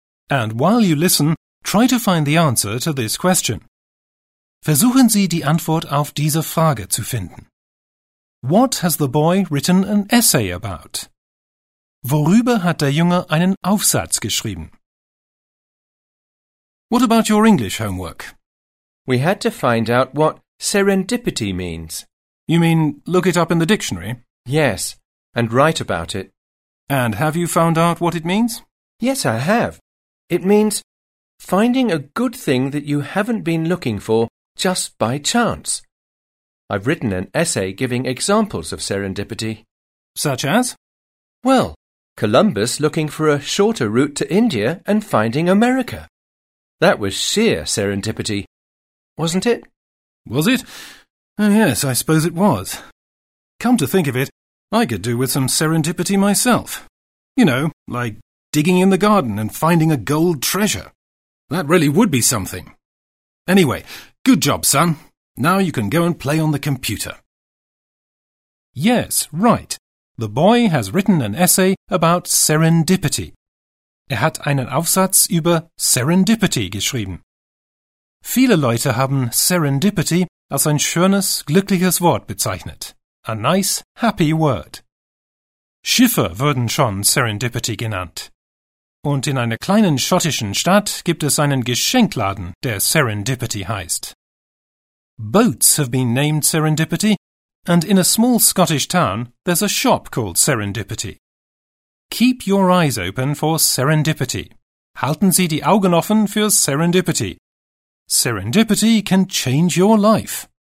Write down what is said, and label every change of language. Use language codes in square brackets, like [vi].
[en] And while you listen, try to find the answer to this question. [de] Versuchen Sie, die Antwort auf diese Frage zu finden. [en] What has the boy written an essay about? [de] Worüber hat der Junge einen Aufsatz geschrieben? [en] What about your English homework? We had to find out what serendipity means. You mean look it up in the dictionary? Yes, and write about it. And have you found out what it means? Yes, I have. It means finding a good thing that you haven't been looking for just by chance. I've written an essay giving examples of serendipity. Such as? Well, Columbus looking for a shorter route to India and finding America. That was sheer serendipity, wasn't it? Was it? Oh, yes, I suppose it was. Come to think of it, I could do with some serendipity myself. You know, like digging in the garden and finding a gold treasure. That really would be something. Anyway, good job, son. Now you can go and play on the computer. Yes, right. The boy has written an essay about serendipity. [de] Hat einen Aufsatz über Serendipity geschrieben. Viele Leute haben Serendipity als ein schönes, glückliches Wort bezeichnet. [en] A nice, happy word. [de] Schiffe würden schon Serendipity genannt. Und in einer kleinen schottischen Stadt gibt es einen Geschenkladen, der Serendipity heißt. [en] Boats have been named Serendipity, and in a small Scottish town there's a shop called Serendipity. Keep your eyes open for serendipity. [de] Halten Sie die Augen offen für Serendipity. [en] Serendipity can change your life.